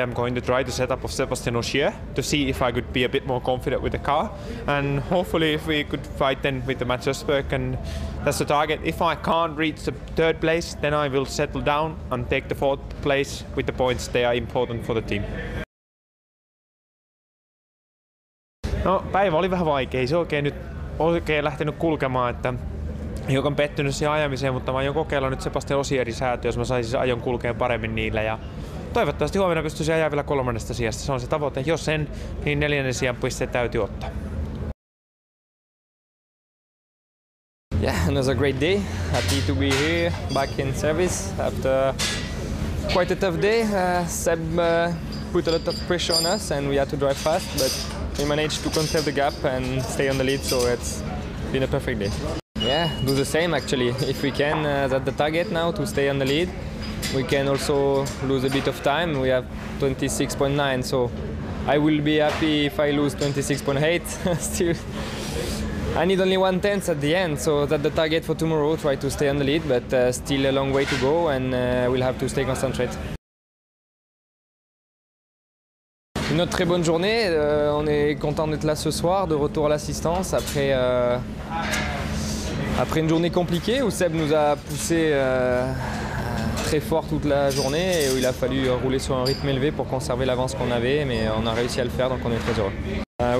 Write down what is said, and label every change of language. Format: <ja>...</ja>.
<en>I'm going to try the setup of Sébastien Ogier to see if I could be a bit more confident with the car, and hopefully if we could fight then with the Mats Østberg, and that's the target. If I can't reach the third place, then I will settle down and take the fourth place with the points. They are important for the team.</en> <fi>No, päivä oli vähän vaikea. Se oikein nyt oikein lähtenyt kulkemaan, että hiukan pettynyt siihen ajamiseen, mutta mä aion kokeilla nyt Sébastien Ogierin säätöä, jos mä saisin ajon kulkea paremmin niillä. Ja toivottavasti huomenna pystyisi ajaa vielä kolmannesta sijasta. Se on se tavoite. Jos sen, niin neljännen sijan pisteet täytyy ottaa.</fi> <en>Yeah, and it was a great day. Happy to be here, back in service, after quite a tough day. Seb put a lot of pressure on us and we had to drive fast, but we managed to conserve the gap and stay on the lead, so it's been a perfect day. Yeah, do the same actually. If we can, that's the target now, to stay on the lead. We can also lose a bit of time. We have 26.9, so I will be happy if I lose 26.8. Still, I need only 1/10 at the end, so that's the target for tomorrow, try to stay on the lead, but still a long way to go, and we'll have to stay concentrated.</en> <fr>Une autre très bonne journée, on est content d'être là ce soir, de retour à l'assistance après, après une journée compliquée où Seb nous a poussé très fort toute la journée et où il a fallu rouler sur un rythme élevé pour conserver l'avance qu'on avait, mais on a réussi à le faire, donc on est très heureux.</fr>